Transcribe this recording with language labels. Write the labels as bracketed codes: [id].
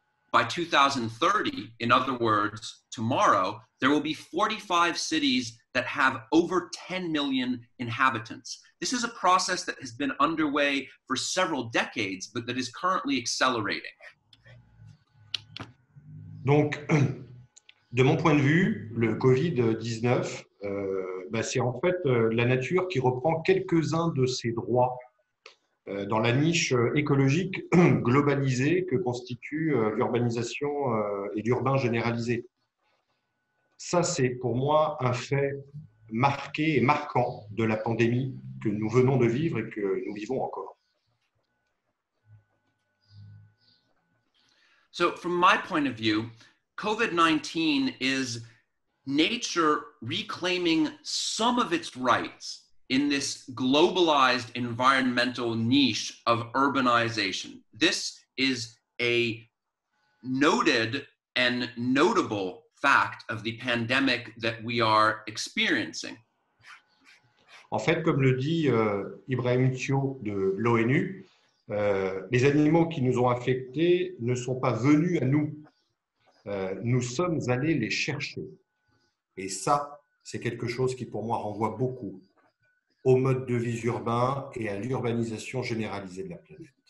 [en] By 2030, in other words, tomorrow, there will be 45 cities that have over 10 million inhabitants. This is a process that has been underway for several decades, but that is currently accelerating. [fr] Donc, de mon point de vue, le Covid-19, c'est en fait la nature qui reprend quelques-uns de ses droits dans la niche écologique globalisée que constitue l'urbanisation et l'urbain généralisé. Ça, c'est pour moi un fait marqué et marquant de la pandémie que nous venons de vivre et que nous vivons encore. [en] So, from my point of view, COVID-19 is nature reclaiming some of its rights in this globalized environmental niche of urbanization. This is a noted and notable fact of the pandemic that we are experiencing. [fr] En fait, comme le dit Ibrahim Thiou de l'ONU, les animaux qui nous ont affectés ne sont pas venus à nous. Nous sommes allés les chercher. Et ça, c'est quelque chose qui pour moi renvoie beaucoup au mode de vie urbain et à l'urbanisation généralisée de la planète.